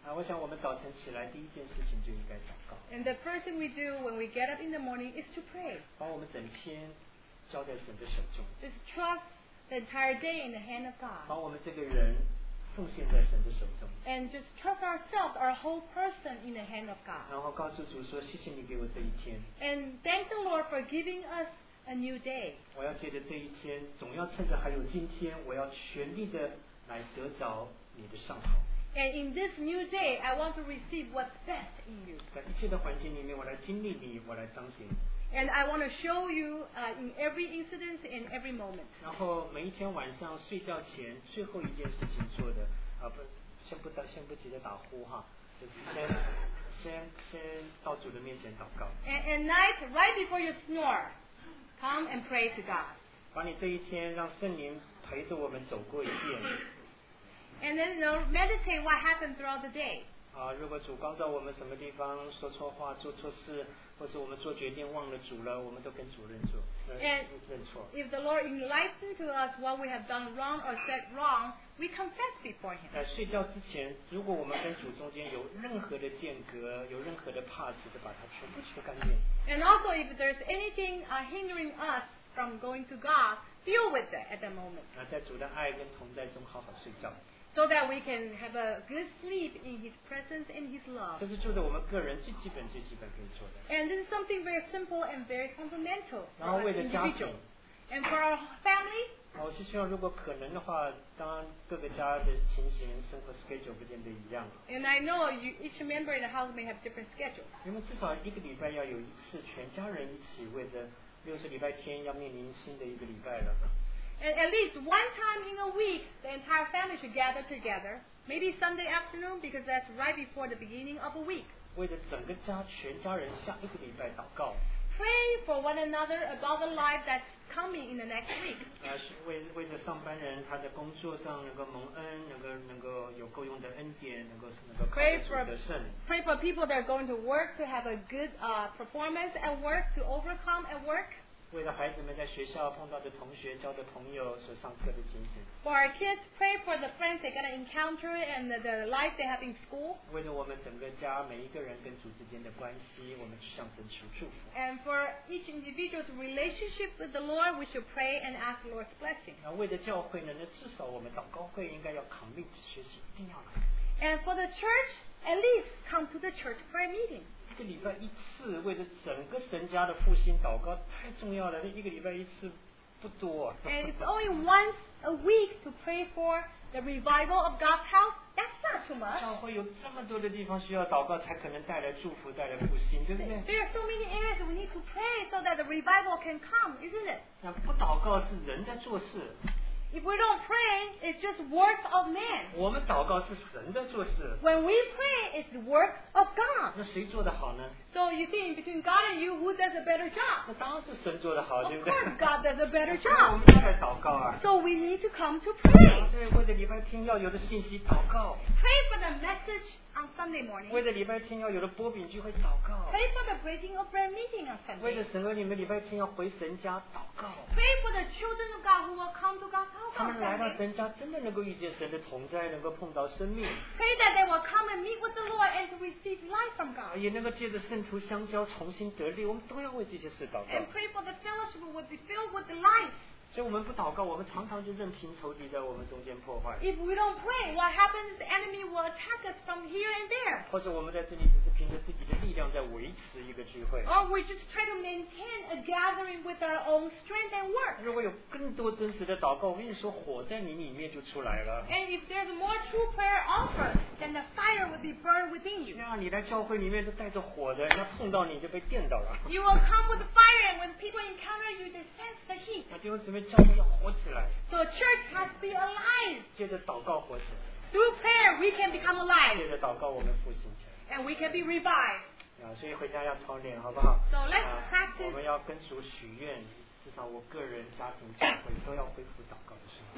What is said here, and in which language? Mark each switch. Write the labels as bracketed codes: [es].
[zh] 我想我们早晨起来第一件事情就应该祷告。 [en] And the first thing we do when we get up in the morning is to pray. [zh] 把我们整天交在神的手中。 [en] Just trust the entire day in the hand of God. [zh] 把我们这个人奉献在神的手中。 [en] And just trust ourselves, our whole person, in the hand of God. [zh] 然后告诉主说，谢谢你给我这一天。 [en] And thank the Lord for giving us a new day. [zh] 我要借着这一天，总要趁着还有今天，我要全力的来得着你的上好。 [en] And in this new day, I want to receive what's best in you. [zh] 在一切的环境里面，我来经历你，我来彰显。 [en] And I want to show you in every incident and every moment. [zh] 然后每一天晚上睡觉前最后一件事情做的啊不先不打先不急着打呼哈，就是先到主的面前祷告。 [en] And night right before you snore, come and pray to God. [zh] 把你这一天让圣灵陪着我们走过一遍。 [en] And then you know, meditate what happened throughout the day. [zh] 如果主光照我们什么地方说错话做错事或是我们做决定忘了主了我们都跟主认错 [en] And if the Lord enlightens to us what we have done wrong or said wrong we confess before him [zh] 睡觉之前如果我们跟主中间有任何的间隔有任何的帕子就把它全部吹干净 [en] And also if there's anything hindering us from going to God deal with it at the moment [zh] 在主的爱跟同在中好好睡觉 [en] So that we can have a good sleep in His presence and His love. [zh] 这是做的我们个人最基本、最基本可以做的。 [en] And this is something very simple and very fundamental. [zh] 然后为了家庭。 [en] And for our family. [zh] 我是希望如果可能的话，当各个家的情形、生活 schedule 不见得一样。 [en] And I know you, each member in the house may have different schedules. [zh] 因为至少一个礼拜要有一次全家人一起为着六十礼拜天要面临新的一个礼拜了。 [en] At least one time in a week, the entire family should gather together. Maybe Sunday afternoon, because that's right before the beginning of a week. [zh] 为了整个家，全家人下一个礼拜祷告。 [en] Pray for one another about the life that's coming in the next week. [zh] 为了上班人，他在工作上能够蒙恩，能够有够用的恩典，能够靠得住的圣。 [en] Pray for people that are going to work to have a good performance at work, to overcome at work. [zh] 为了孩子们在学校碰到的同学交的朋友所上课的情形 [en] For our kids, pray for the friends they're going to encounter and the life they have in school [zh] 为了我们整个家每一个人跟主之间的关系我们向神求祝福 [en] And for each individual's relationship with the Lord we should pray and ask the Lord's blessing [zh] 那为了教会呢那至少我们祷告会应该要 commit 学习一定要来 [en] And for the church, at least come to the church prayer meeting [zh] 一个礼拜一次为了整个神家的复兴祷告太重要了一个礼拜一次不多 [en] and it's only once a week to pray for the revival of God's house that's not too much [zh] 教会有这么多的地方需要祷告才可能带来祝福带来复兴对不对 [en] there are so many areas we need to pray so that the revival can come isn't it [zh] 那不祷告是人在做事 [en] if we don't pray it's just work of man [zh] 我们祷告是神在做事 [en] when we pray it's workOf God. [zh] 那谁做得好呢 [en] So you think between God and you, who does a better job? [zh] 那当然是神做得好，对不对 [en] Of course, God does a better job. [zh] 我们再来祷告啊。 [en] So we need to come to pray. [zh] 所以为了礼拜天要有的信息祷告。 [en] Pray for the message on Sunday morning. [zh] 为了礼拜天要有的波饼聚会祷告。 [en] Pray for the breaking of bread meeting on Sunday. [zh] 为了神儿女们礼拜天要回神家祷告。 [en] Pray for the children of God who will come to God's house. [zh] 他们来到神家真的能够遇见神的同在，能够碰到生命。 [en] Pray that they will come and meet with the Lord and to receive. Life from God. [zh] 也能够借着圣徒相交重新得力我们都要为这些事祷告 [en] and pray for the fellowship would be filled with life [zh] 所以我们不祷告我们常常就任凭仇敌在我们中间破坏 [en] if we don't pray what happens the enemy will attack us from here and there [zh] 或是我们在这里只是凭着自己的力量在维持一个聚会 [en] or we just try to maintain a gathering with our own strength and work [zh] 如果有更多真实的祷告我跟你说火在你里面就出来了 [en] and if there's more true prayer offered then the fire would be burned within you [zh] 那你在教会里面都带着火的人家碰到你就被电到了 [en] you will come with fire and when people encounter you they sense the heat [zh] 那弟兄姊妹教会要火起来 [en] so church must be alive [zh] 借着祷告火起来 [en] through prayer we can become alive [zh] 借着祷告我们复兴起来 [en] and we can be revived [zh] 所以回家要操练好不好 [en] so let's practice [zh] 我们要跟主许愿至少我个人家庭教会都要恢复祷告的时候